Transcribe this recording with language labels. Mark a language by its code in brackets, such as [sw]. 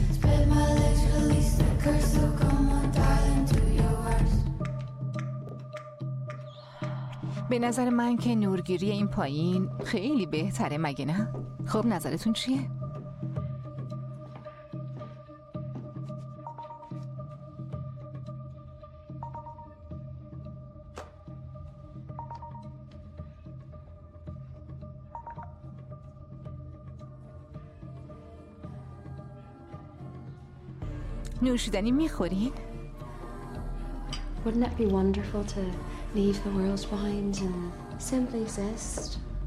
[en] Spread my legs, release the curse, so come on, darling, do your worst. [fa] به نظر من که نورگیری این پایین خیلی بهتره، مگه نه؟ خب نظرتون چیه؟ نوشیدنی میخورین؟ [en] Wouldn't it be wonderful to leave the world behind and simply exist?